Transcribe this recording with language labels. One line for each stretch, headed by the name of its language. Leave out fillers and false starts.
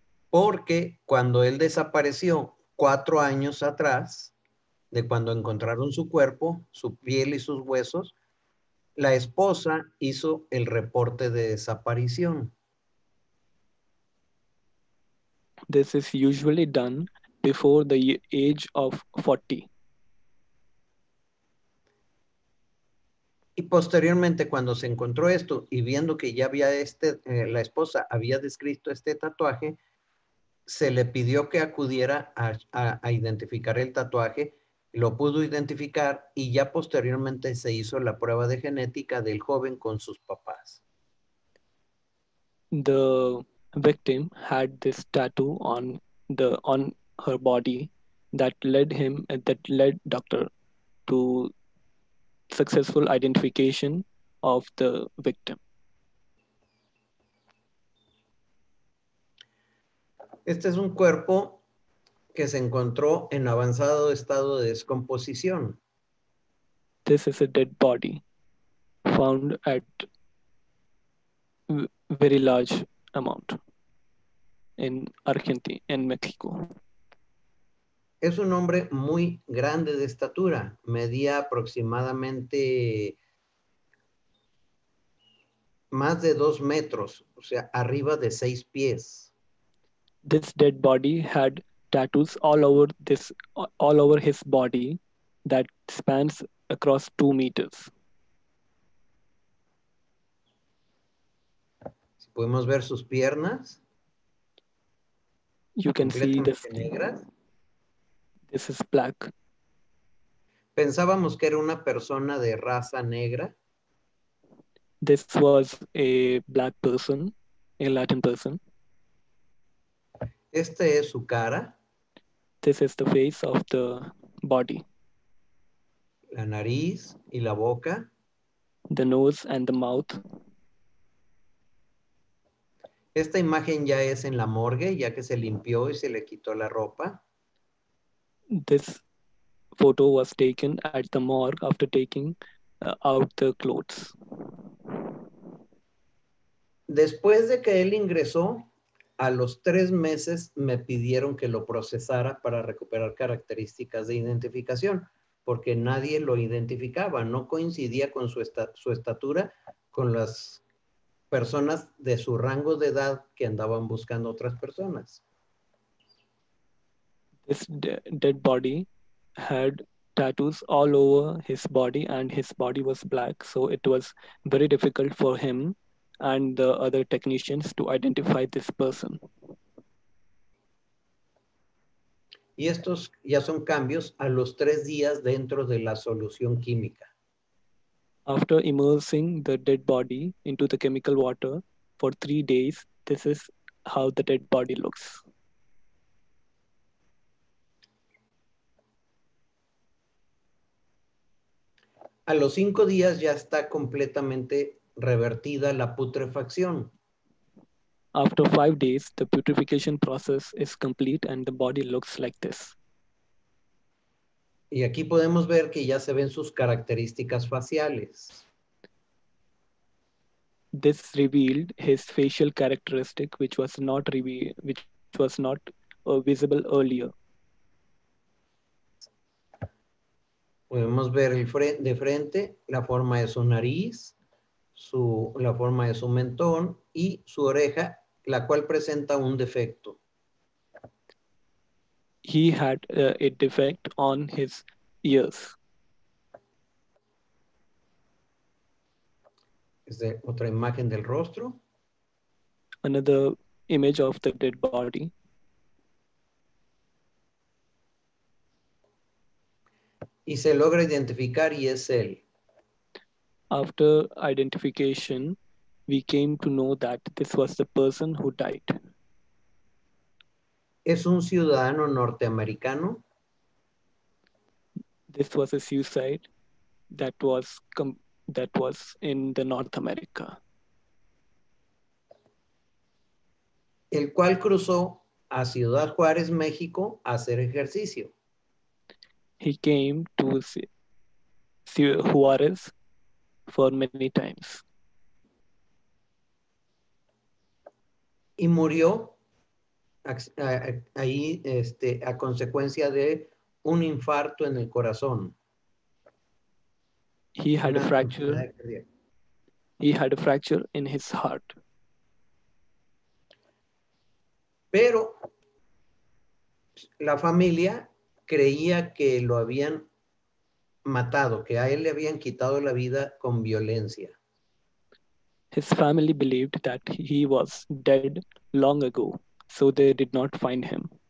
Spanish: Porque cuando él desapareció 4 años atrás, de cuando encontraron su cuerpo, su piel y sus huesos, la esposa hizo el reporte de desaparición.
English: This is usually done before the age of 40.
Spanish: Y posteriormente, cuando se encontró esto y viendo que ya había la esposa había descrito este tatuaje, se le pidió que acudiera a identificar el tatuaje. Lo pudo identificar y ya posteriormente se hizo la prueba de genética del joven con sus papás.
English: The victim had this tattoo on her body that led doctor to successful identification of the victim.
Spanish: Este es un cuerpo que se encontró en avanzado estado de descomposición.
English: This is a dead body found at very large amount in Argentina, in Mexico.
Spanish: Es un hombre muy grande de estatura. Medía aproximadamente más de 2 metros, o sea, arriba de 6 pies.
English: This dead body had tattoos all over his body that spans across 2 meters.
Spanish: Si podemos ver sus piernas.
English: You can see the skin.
Spanish: Negras.
English: This is black.
Spanish: Pensábamos que era una persona de raza negra.
English: This was a black person, a Latin person.
Spanish: Este es su cara.
English: This is the face of the body.
Spanish: La nariz y la boca.
English: The nose and the mouth.
Spanish: Esta imagen ya es en la morgue, ya que se limpió y se le quitó la ropa.
English: This photo was taken at the morgue after taking out the clothes.
Spanish: Después de que él ingresó, a los 3 meses me pidieron que lo procesara para recuperar características de identificación, porque nadie lo identificaba, no coincidía con su estatura, con las personas de su rango de edad que andaban buscando otras personas.
English: This dead body had tattoos all over his body and his body was black, so it was very difficult for him and the other technicians to identify this person.
Spanish: Y estos ya son cambios a los tres días dentro de la solución química.
English: After immersing the dead body into the chemical water for 3 days, this is how the dead body looks.
Spanish: A los 5 días ya está completamente revertida la putrefacción.
English: After 5 days, the putrefaction process is complete and the body looks like this.
Spanish: Y aquí podemos ver que ya se ven sus características faciales.
English: This revealed his facial characteristic, which was not revealed, which was not visible earlier.
Spanish: Podemos ver el de frente la forma de su nariz, la forma de su mentón y su oreja, la cual presenta un defecto.
English: He had a defect on his ears.
Spanish: Es de otra imagen del rostro.
English: Another image of the dead body.
Spanish: Y se logra identificar y es él.
English: After identification, we came to know that this was the person who died.
Spanish: ¿Es un ciudadano norteamericano?
English: This was a suicide that was in the North America.
Spanish: El cual cruzó a Ciudad Juárez, México, a hacer ejercicio.
English: He came to Ciudad Juárez for many times.
Spanish: Y murió ahí a consecuencia de un infarto en el corazón.
English: He had a fracture. He had a fracture in his heart.
Spanish: Pero la familia creía que lo habían matado, que a él le habían quitado la vida con violencia.
English: His family believed that he was dead long ago, so they did not find him.